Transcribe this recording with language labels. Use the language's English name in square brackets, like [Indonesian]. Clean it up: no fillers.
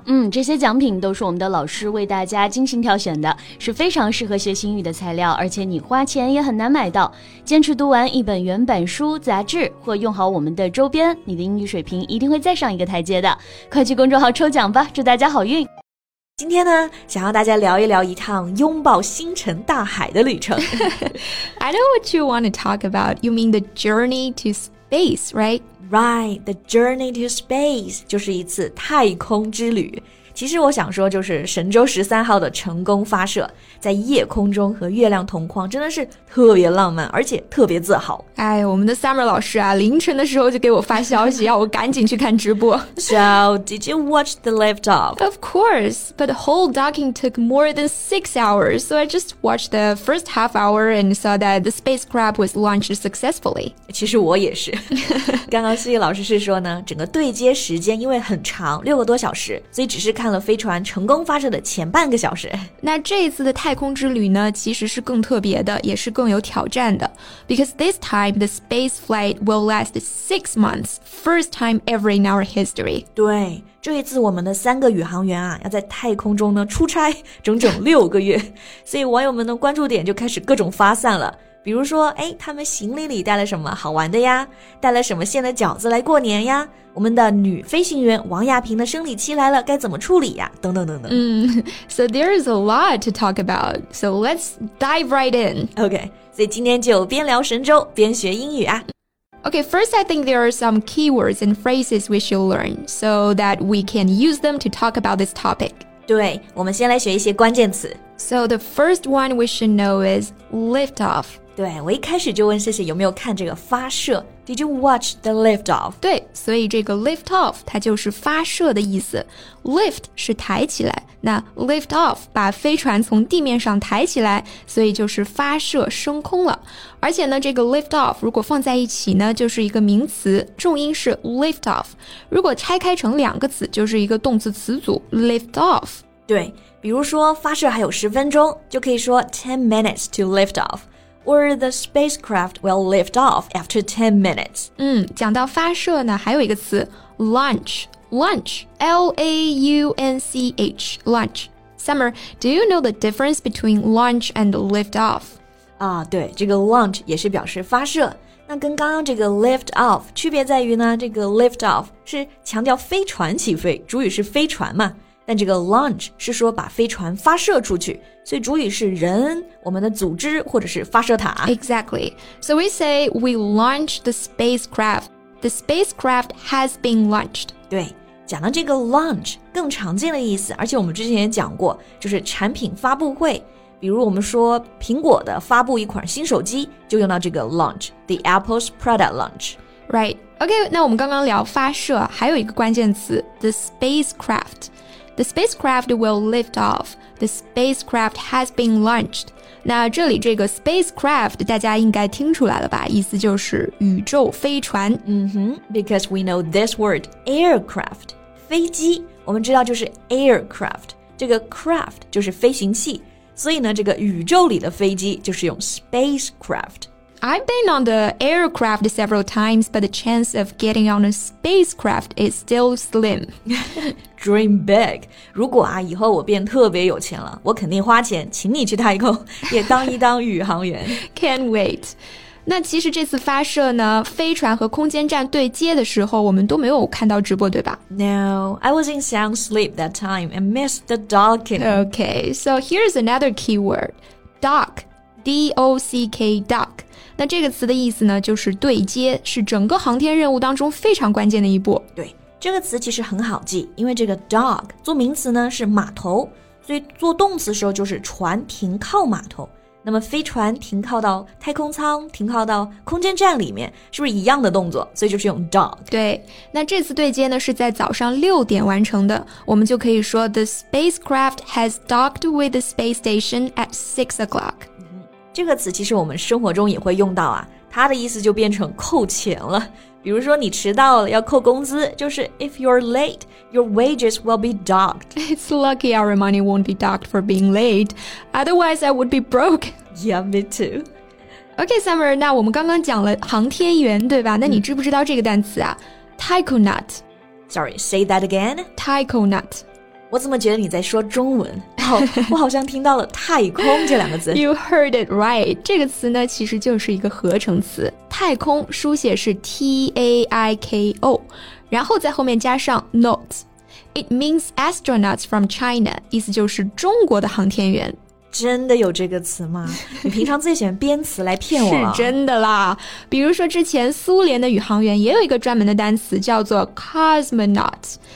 [Chinese] 嗯，这些奖品都是我们的老师为大家精心挑选的，是非常适合学习英语的材料，而且你花钱也很难买到。坚持读完一本原版书、杂志或用好我们的周边，你的英语水平一定会再上一个台阶的。快去公众号抽奖吧，祝大家好运。今天呢，想要大家聊一聊一趟拥抱星辰大海的旅程。 [English] I know what you want to talk about. You mean the journey to space, right? Right, the journey to space [Chinese] 就是一次太空之旅。其实我想说就是神舟十三号的成功发射，在夜空中和月亮同框，真的是特别浪漫，而且特别自豪。哎，我们的 Summer 老师啊，凌晨的时候就给我发消息，要我赶紧去看直播。 [English] So, did you watch the liftoff? Of course, but the whole docking took more than 6 hours, so I just watched the first half hour and saw that the spacecraft was launched successfully. [Chinese] 其实我也是。刚刚思雨老师是说呢，整个对接时间因为很长，6个多小时，所以只是看了飞船成功发射的前半个小时。那这一次的太空之旅呢，其实是更特别的，也是更有挑战的。 [English] Because this time, the space flight will last 6 months, first time ever in our history. [Chinese] 对，这一次我们的三个宇航员啊，要在太空中呢出差整整6个月，所以网友们的关注点就开始各种发散了。比如说，哎，他们行李里带了什么好玩的呀？带了什么馅的饺子来过年呀？我们的女飞行员王亚平的生理期来了，该怎么处理呀？等等等等。 [English] So there is a lot to talk about. So let's dive right in. [Chinese] Okay, 所以今天就边聊神舟边学英语啊。 [English] Okay, first I think there are some keywords and phrases we should learn so that we can use them to talk about this topic. [Chinese] 对，我们先来学一些关键词。 [English] So the first one we should know is liftoff. [Chinese] 对，我一开始就问谢谢有没有看这个发射。 [English] Did you watch the liftoff? [Chinese] 对，所以这个 liftoff 它就是发射的意思。 Lift 是抬起来，那 liftoff 把飞船从地面上抬起来，所以就是发射升空了。而且呢，这个 liftoff 如果放在一起呢，就是一个名词，重音是 liftoff。如果拆开成两个词，就是一个动词词组 liftoff。对，比如说发射还有10分钟，就可以说 [English] 10 minutes to liftoff。 Or the spacecraft will lift off after 10 minutes. [Chinese] 讲到发射呢，还有一个词 launch. [English] Launch, L-A-U-N-C-H, launch. Summer, do you know the difference between launch and lift off? [Chinese] 对，这个 launch 也是表示发射。那跟刚刚这个 lift off 区别在于呢，这个 lift off 是强调飞船起飞，主语是飞船嘛。但这个 launch 是说把飞船发射出去，所以主语是人、我们的组织或者是发射塔。 [English] Exactly. So we say we launched the spacecraft. The spacecraft has been launched. [Chinese] 对，讲到这个 launch 更常见的意思，而且我们之前也讲过，就是产品发布会。比如我们说苹果的发布一款新手机，就用到这个 launch, [English] the Apple's product launch. Right. [Chinese] Okay, 那我们刚刚聊发射，还有一个关键词 the spacecraft. [English] The spacecraft will lift off. The spacecraft has been launched. [Chinese] 那这里这个 spacecraft 大家应该听出来了吧，意思就是宇宙飞船。 [English] Because we know this word, [Chinese] aircraft, 飞机，我们知道就是 aircraft, 这个 craft 就是飞行器，所以呢这个宇宙里的飞机就是用 spacecraft. [English] I've been on the aircraft several times, but the chance of getting on a spacecraft is still slim. Dream big. [Chinese] 如果啊，以后我变特别有钱了，我肯定花钱请你去太空，也当一当宇航员。 [English] Can't wait. [Chinese] 那其实这次发射呢，飞船和空间站对接的时候，我们都没有看到直播，对吧？ [English] No, I was in sound sleep that time and missed the docking. Okay, so here's another keyword. Dock, D-O-C-K, dock. [Chinese] 那这个词的意思呢，就是对接，是整个航天任务当中非常关键的一步。对，这个词其实很好记，因为这个 dock 做名词呢是码头，所以做动词的时候就是船停靠码头。那么飞船停靠到太空舱，停靠到空间站里面，是不是一样的动作？所以就是用 dock。对，那这次对接呢是在早上6点完成的，我们就可以说 [English] the spacecraft has docked with the space station at 6 o'clock. [Chinese] 这个词其实我们生活中也会用到啊，它的意思就变成扣钱了。比如说你迟到了要扣工资，就是 [English] If you're late, your wages will be docked. It's lucky our money won't be docked for being late. Otherwise, I would be broke. Yeah, me too. [Chinese] Okay, Summer, 那我们刚刚讲了航天员对吧，那你知不知道这个单词啊、Tycoonaut. [English] Sorry, say that again. Tycoonaut. [Chinese] 我怎么觉得你在说中文、我好像听到了太空这两个字。 [English] You heard it right. [Chinese] 这个词呢其实就是一个合成词。太空书写是 T-A-I-K-O, 然后在后面加上 not. [English] It means astronauts from China, [Chinese] 意思就是中国的航天员。真的有这个词吗？你平常自己喜欢编词来骗我是真的啦。比如说之前苏联的宇航员也有一个专门的单词叫做 cosmonaut.